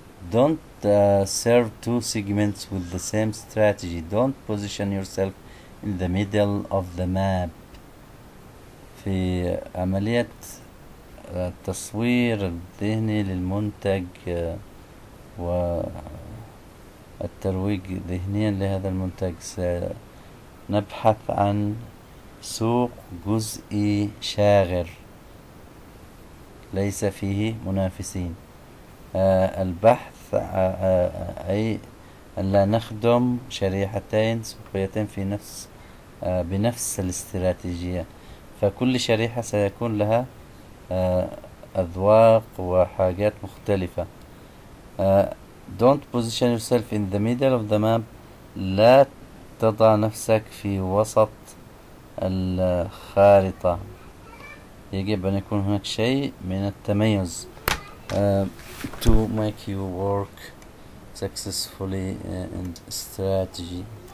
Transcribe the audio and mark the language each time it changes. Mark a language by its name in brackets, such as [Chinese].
[English] Don't serve two segments with the same strategy. Don't position yourself in the middle of the map. [Arabic] في عملية التصوير الذهني للمنتج والترويج ذهنيا لهذا المنتج سنبحث عن سوق جزئي شاغر ليس فيه منافسين. البحث أي أن لا نخدم شريحتين سوقيتين في نفس بنفس الاستراتيجية. فكل شريحة سيكون لها أذواق وحاجات مختلفة. [English] Don't position yourself in the middle of the map. [Arabic] لا تضع نفسك في وسط الخارطة. يجب أن يكون هناك شيء من التميز. [English] To make you work successfully in strategy.